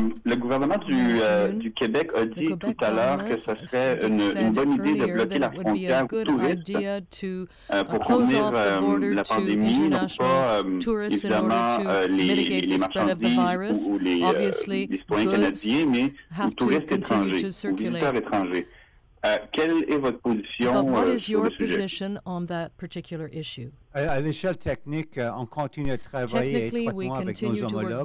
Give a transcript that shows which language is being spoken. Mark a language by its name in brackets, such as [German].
[French] Le gouvernement du Québec a dit tout à l'heure que ce serait une bonne idée de bloquer la frontière aux touristes pour contenir la pandémie, non pas évidemment les marchandises ou les citoyens canadiens, mais les touristes étrangers, les visiteurs étrangers. Quelle est votre position sur le sujet? [English] What is your position on that particular issue? [French] À l'échelle technique, on continue à travailler étroitement avec nos homologues